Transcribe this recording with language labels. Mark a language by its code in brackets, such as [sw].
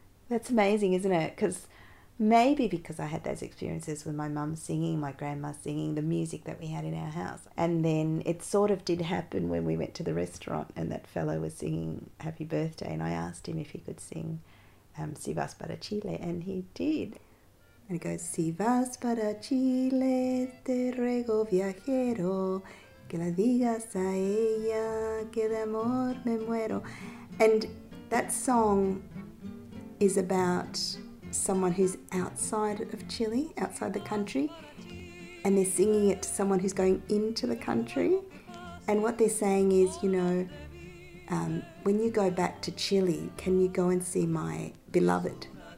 [en] That's amazing, isn't it? Because maybe because I had those experiences with my mum singing, my grandma singing, the music that we had in our house. And then it sort of did happen when we went to the restaurant and that fellow was singing Happy Birthday, and I asked him if he could sing [es] Si vas para Chile, [en] and he did. And he goes, [es] si vas para Chile, te ruego viajero, que la digas a ella, que de amor me muero. [en] And that song is about someone who's outside of Chile, outside the country, and they're singing it to someone who's going into the country. And what they're saying is, you know, when you go back to Chile, can you go and see my beloved?